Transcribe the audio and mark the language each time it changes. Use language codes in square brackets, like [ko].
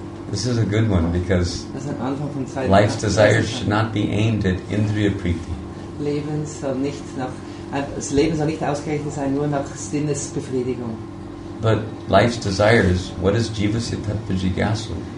[en] This is a good one because life's desires should not be aimed at indriya priti. [de] Leben soll nicht ausgerichtet sein nur nach Sinnesbefriedigung. [en] But life's desires, what is jivasya tattva jigyasa?